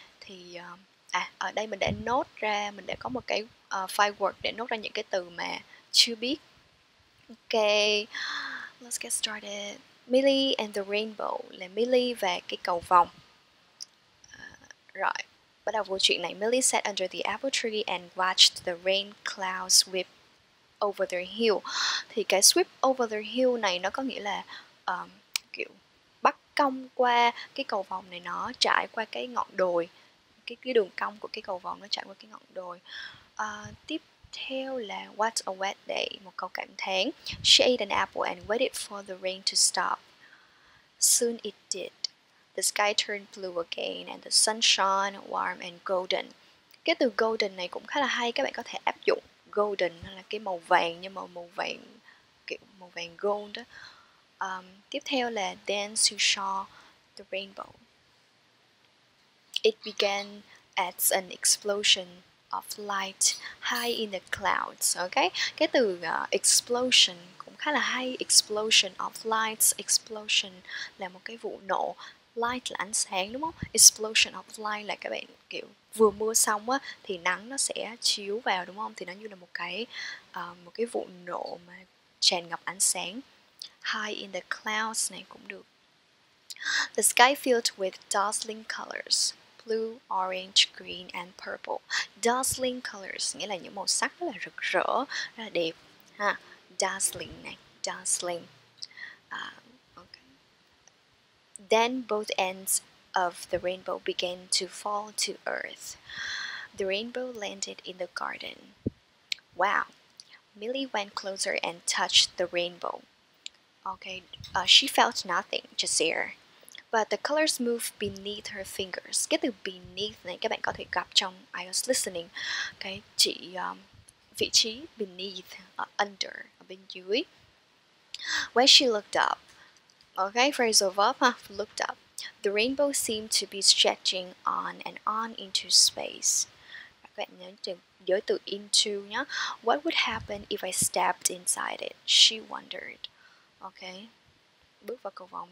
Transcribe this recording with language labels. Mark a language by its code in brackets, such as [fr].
[vi] Thì ở đây mình đã note ra, mình đã có một cái file work để note ra những cái từ mà chưa biết. [en] Ok, let's get started. Millie and the Rainbow [vi] là Millie và cái cầu vồng. Rồi, bắt đầu vô chuyện này. [en] Millie sat under the apple tree and watched the rain clouds whip over the hill. [vi] Thì cái [en] sweep over the hill [vi] này nó có nghĩa là kiểu bắc cong qua cái cầu vồng này, nó trải qua cái ngọn đồi, cái đường cong của cái cầu vồng nó trải qua cái ngọn đồi. Tiếp theo là [en] what a wet day, [vi] một câu cảm thán. [en] She ate an apple and waited for the rain to stop. Soon it did. The sky turned blue again and the sun shone warm and golden. [vi] Cái từ golden này cũng khá là hay, các bạn có thể áp dụng golden là cái màu vàng, nhưng mà màu vàng kiểu màu vàng gold. Tiếp theo là [en] dance to show the rainbow. It began as an explosion of light high in the clouds. [vi] Ok, cái từ explosion cũng khá là hay. [en] Explosion of lights, [vi] explosion là một cái vụ nổ, light là ánh sáng, đúng không? [en] Explosion of light [vi] là các bạn kiểu vừa mưa xong á thì nắng nó sẽ chiếu vào, đúng không? Thì nó như là một cái vụ nổ mà tràn ngập ánh sáng. [en] High in the clouds [vi] này cũng được. [en] The sky filled with dazzling colors, blue, orange, green and purple. Dazzling colors [vi] nghĩa là những màu sắc rất là rực rỡ, rất là đẹp ha. Dazzling này, dazzling. [en] Then both ends of the rainbow began to fall to earth. The rainbow landed in the garden. Wow. Millie went closer and touched the rainbow. Okay, she felt nothing, just air. But the colors moved beneath her fingers. [vi] Cái từ beneath này các bạn có thể gặp trong IELTS listening. Okay, chỉ vị trí beneath, under, bên dưới. [en] When she looked up. Okay, phrasal verb, huh? Looked up. The rainbow seemed to be stretching on and on into space. [vi] Các bạn nhớ từ into nhé. [en] What would happen if I stepped inside it? She wondered. [vi] Okay. Bước vào cầu vồng.